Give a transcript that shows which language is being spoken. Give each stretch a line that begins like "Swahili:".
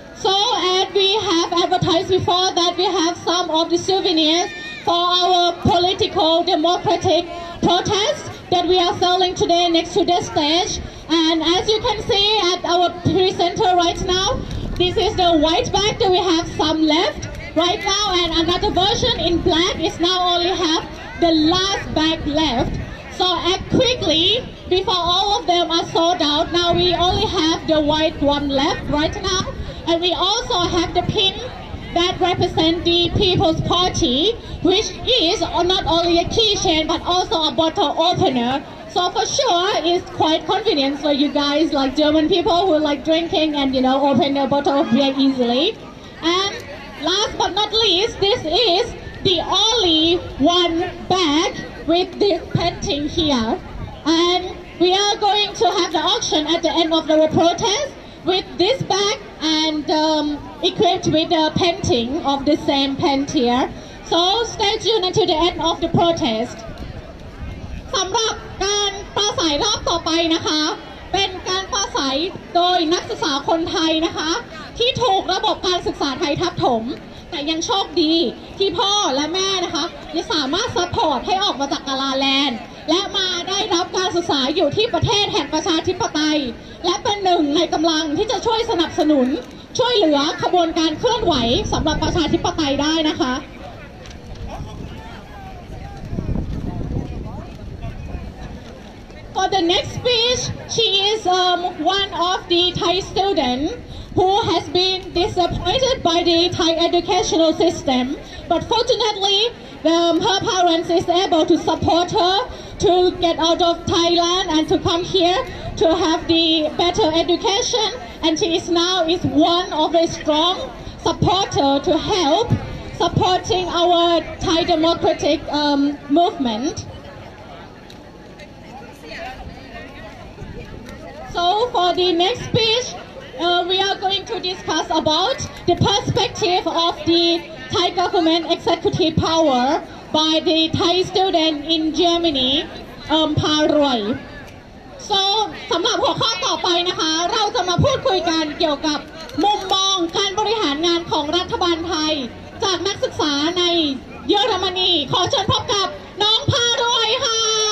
English: So as we have advertised before that we have some of the souvenirsFor our political democratic protest that we are selling today next to the stage, and as you can see at our presenter right now, this is the white bag that we have some left right now, and another version in black is now only have the last bag left. So act quickly before all of them are sold out. Now we only have the white one left right now, and we also have the pin. That represent the People's Party, which is not only a keychain but also a bottle opener. So for sure, it's quite convenient for you guys, like German people who like drinking and you know open their bottle of beer easily. And last but not least, this is the only one bag with this painting here. And we are going to have the auction at the end of our protest with this bag. And equipped with the painting of the same painter, so stay tuned until the end of the protest.
Thai: สำหรับการปราศัยรอบต่อไปนะคะเป็นการปราศัยโดยนักศึกษาคนไทยนะคะที่ถูกระบบการศึกษาไทยทับถม แต่ยังโชคดีที่พ่อและแม่นะคะยังสามารถซัพพอร์ตให้ออกมาจากกาลาแลนด์และมาได้รับการศึกษาอยู่ที่ประเทศแห่งประชาธิปไตยและเป็นหนึ่งในกำลังที่จะช่วยสนับสนุน ช่วยเหลือขบวนการเคลื่อนไหวสำหรับประชาธิปไตยได้นะคะ
English: For the next speech, she is one of the Thai students who has been disappointed by the Thai educational system. But fortunately, her parents is able to support her to get out of Thailand and to come here to have the better education. And she is now is one of a strong supporter to help supporting our Thai democratic movement. So for the next speech, we are going to discuss about the perspective of the Thai government executive power by the Thai student in Germany, Pa Roy.
Thai: So, สำหรับหัวข้อต่อไปนะคะเราจะมาพูดคุยกันเกี่ยวกับมุมมองการบริหารงานของรัฐบาลไทยจากนักศึกษาในเยอรมนีขอเชิญพบกับน้องพารอยค่ะ